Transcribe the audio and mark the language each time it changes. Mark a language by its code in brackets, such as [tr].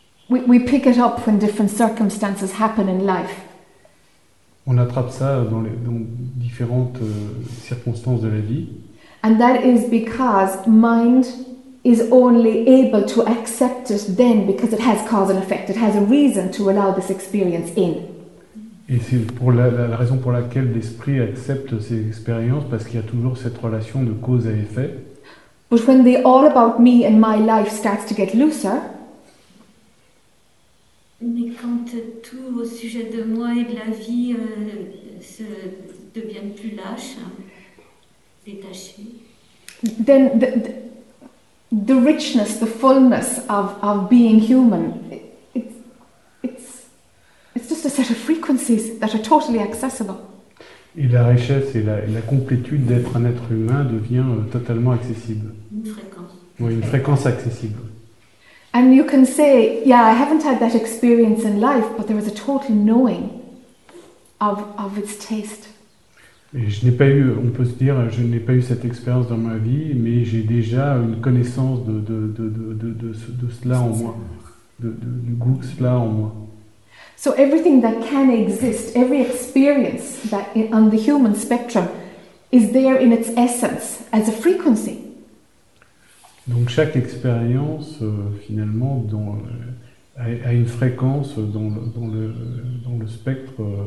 [en] We pick it up when different circumstances happen in life. [fr] On attrape ça dans les dans différentes circonstances de la vie. [en] And that is because mind is only able to accept it then because it has cause and effect. It has a reason to allow this experience in. [fr] Et c'est pour la raison pour laquelle l'esprit accepte ces expériences parce qu'il y a toujours cette relation de cause à effet. [en] But when the all about me and my life starts to get looser. [fr] Mais quand tout au sujet de moi et de la vie se deviennent plus lâches, détachés, [en] then the richness, the fullness of being human, it's just a set of frequencies that are totally accessible. [fr] Et la richesse et la complétude d'être un être humain devient totalement accessible. Une fréquence. Oui, une fréquence accessible. [en] And you can say, yeah, I haven't had that experience in life, but there is a total knowing of its taste. [fr] Et je n'ai pas eu, on peut se dire, je n'ai pas eu cette expérience dans ma vie, mais j'ai déjà une connaissance de cela en moi, du goût cela en moi. [en] So everything that can exist, every experience that on the human spectrum is there in its essence as a frequency. [fr] Donc chaque expérience, finalement, a une fréquence dans le spectre.